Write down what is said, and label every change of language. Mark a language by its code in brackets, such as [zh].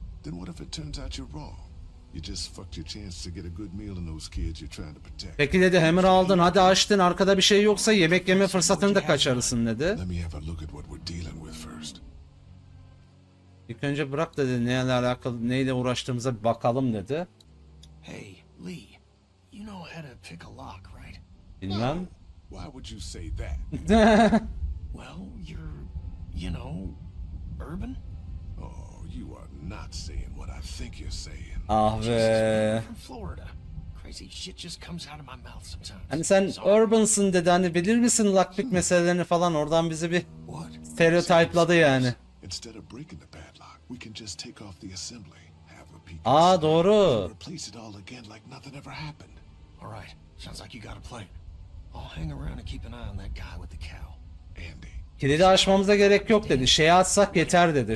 [en] Then what if it turns out you're wrong? You just fucked your chance to get a good meal in those kids you're trying to protect. [tr] Peki dedi, hammer aldın. Hadi açtın. Arkada bir şey yoksa yemek yeme fırsatını da kaçarırsın dedi. [en] Let me have a look at what we're dealing with first. [tr] İlk önce bırak dedi, neyle alakalı, neyle uğraştığımıza bir bakalım dedi. [en] Hey Lee, you know how to pick a lock, right? [tr] Bilmem. [en] Why would you say that? Well, you're, you know, urban. Oh, you are not saying what I think you're saying. [tr] Ah be. [en] Florida. Crazy shit just comes out of my mouth sometimes. [tr] Hani sen urbansın dedi, hani bilir misin lock pick meselelerini falan, oradan bizi bir stereotype'ladı yani. [en] Instead of breaking the padlock, we can just take off the assembly, have a peek. [tr] Aa doğru. [en] Replace it all again like nothing ever happened. All right, sounds like you got a plan. I'll hang around and keep an eye on that guy with the cow. [tr] Andy. Kilidi açmamıza gerek yok dedi. Şeyi açsak yeter dedi.